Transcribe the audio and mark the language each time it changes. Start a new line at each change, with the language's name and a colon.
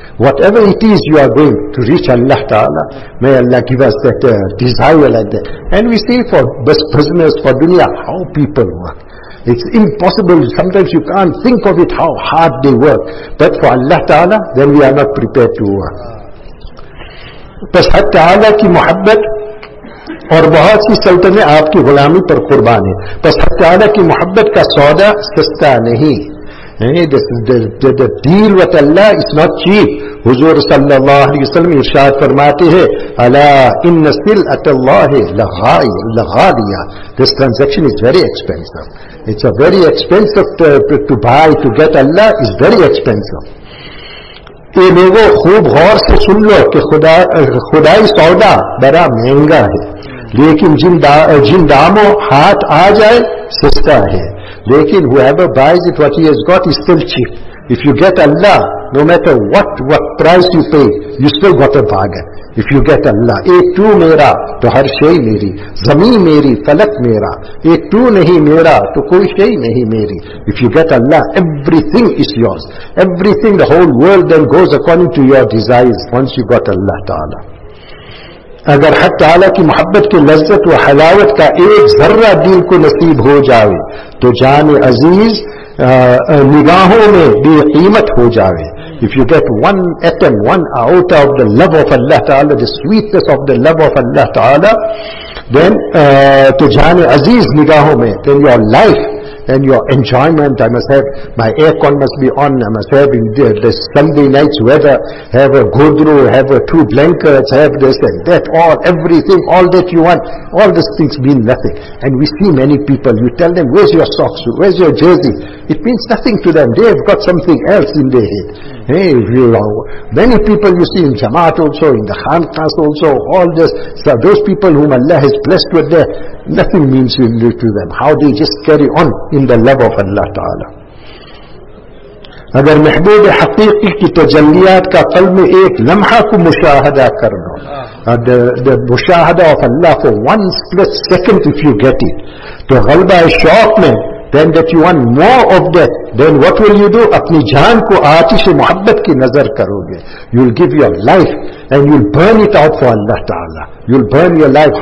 English: Whatever it is, you are going to reach Allah Ta'ala. May Allah give us that desire like that. And we see for bus prisoners, for dunya, how people work. It's impossible. Sometimes you can't think of it, how hard they work. But for Allah Ta'ala, then we are not prepared to work.
Urdu: بس حق تعالیٰ کی محبت اور بہت سی سلطنتیں آپ کی غلامی پر قربان ہیں. بس حق تعالیٰ کی محبت کا سودا سستا نہیں.
English: The deal with Allah is not cheap.
Urdu: حضور صلی اللہ علیہ وسلم ارشاد فرماتے ہیں
Arabic: الا ان صلت اللہ لغالیا.
English: This transaction is very expensive. It's a very expensive to buy, to get Allah is very expensive.
Urdu: اے لوگوں, خوب غور سے سن لو کہ خدائی سودا بڑا مہنگا ہے, لیکن جن داموں ہاتھ آ جائے سستا ہے.
English: لیکن whoever buys it, what he has got is still cheap. If you get Allah, no matter what price you pay, you still got a bargain. If you get Allah,
Urdu: اے تو میرا تو ہر شئی میری, زمین میری فلک میرا, اے تو نہیں میرا تو کوئی شئی نہیں میری.
English: If you get Allah, everything is yours. Everything, the whole world then goes according to your desires once you got Allah Ta'ala.
Urdu: اگر حق تعالیٰ کی محبت کی لذت و حلاوت کا ایک ذرہ دل کو نصیب ہو جائے تو جان عزیز نگاہوں میں بے قیمت ہو جائے.
English: If you get one atom, one iota of the love of Allah Ta'ala, the sweetness of the love of Allah Ta'ala, then
Urdu: to jaan aziz nigahon mein,
English: then your life, then your enjoyment, I must have, my aircon must be on, I must have in this Sunday night's weather, have a ghodro, have a two blankets, have this and that, all, everything, all that you want, all these things mean nothing. And we see many people, you tell them, where's your socks, where's your jersey? It means nothing to them, they have got something else in their head. Hey, many people you see in Jamaat also, in the Khanqahs also, all this, so those people whom Allah has blessed with their, nothing means really to them, how they just carry on in the love of Allah Ta'ala.
Urdu: اگر محبوب حقیقی کی تجلیات کا قلب میں ایک لمحہ کو مشاہدہ کر لو,
English: the مشاہدہ of Allah for one split second if you get it,
Urdu: تو غلبہ شوق میں,
English: then that you want more of that, then what will you do?
Urdu: اپنی جان کو آتش محبت کی نظر کرو گے.
English: You'll give your life and you'll burn it out for Allah Ta'ala. You'll burn your life.